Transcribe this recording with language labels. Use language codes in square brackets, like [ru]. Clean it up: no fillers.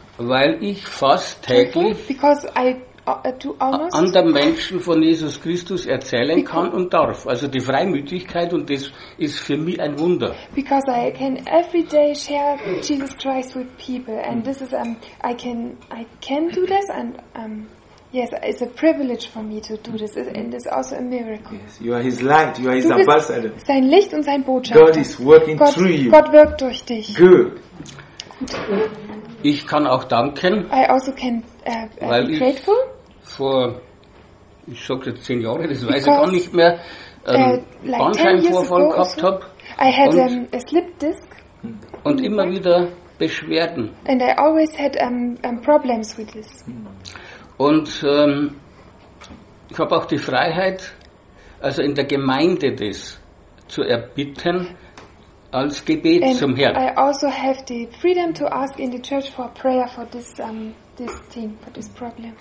[de] Weil ich fast täglich anderen Menschen von Jesus Christus erzählen kann und darf. Also die Freimütigkeit und das ist für mich ein Wunder. [en] Because I can every day share Jesus Christ with people and this is I can do this and yes, it's a privilege for me to do this, and it's also a miracle. Yes, you are His light, you are His ambassador. [de] Sein Licht und sein Botschafter. [en] God is working through you. [de] Gott wirkt durch dich. [en] Good. [de] Ich kann auch danken. [en] I also can be grateful. [de] Vor, ich sag jetzt 10 Jahre, das weiß ich gar nicht mehr, Bandscheibenvorfall gehabt habe. [en] I had a slip disc. [de] Und immer wieder Beschwerden. [en] And I always had problems with this. [de] Und ich habe auch die Freiheit, also in der Gemeinde das zu erbitten als Gebet [en] and [de] zum Herrn. [en] I also have the freedom to ask in the church for prayer for this this thing, for this problem.